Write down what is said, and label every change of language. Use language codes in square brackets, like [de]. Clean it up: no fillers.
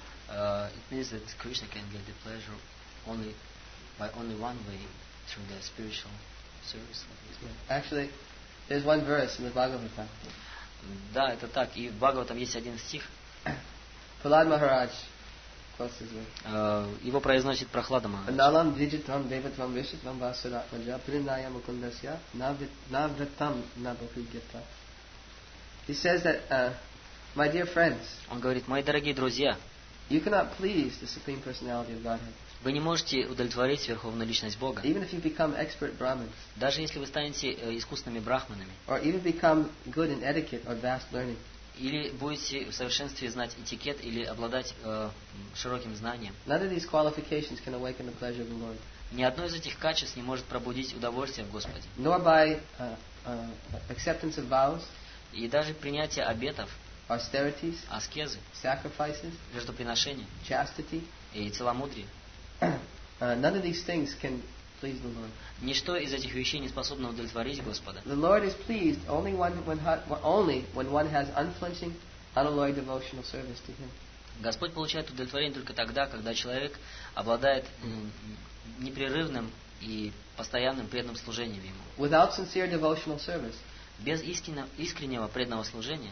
[en] It means that Krishna can get the pleasure only by only one way, through the spiritual service. Actually, there's one verse in the Bhagavata. [ru] Да, это так. И в Бхагаватам есть один стих. [en] Prahlad Maharaj quotes it. [ru] Его произносит Прахлада Махарадж. [sa] Налам диджитам деватам вишитам васура ваджа приная мукундасья навритам набхугита. [en] He says that, my dear friends. [ru] Он говорит, мои дорогие друзья. [en] You cannot please the Supreme Personality of Godhead. [ru] Вы не можете удовлетворить Верховную Личность Бога. [en] Even if you become expert Brahmins. [ru] Даже если вы станете искусными брахманами. [en] Or even become good in etiquette or vast learning. [ru] Или будете в совершенстве знать этикет или обладать широким знанием. [en] None of these qualifications can awaken the pleasure of the Lord. [ru] Ни одно из этих качеств не может пробудить удовольствие в Господе. [en] Nor by acceptance of vows. [ru] И даже принятие обетов. [en] Austerities, [ru] аскезы, [en] sacrifices, [ru] жертвоприношения, [en] chastity, [ru] и целомудрие. [en] None of these things can please the Lord. [ru] Ничто из этих вещей не способно удовлетворить Господа. [en] The Lord is pleased only when one has unflinching, unalloyed devotional service to Him. [ru] Господь получает удовлетворение только тогда, когда человек обладает непрерывным и постоянным преданным служением Ему. [en] Without sincere devotional service. [ru] Без искреннего преданного служения.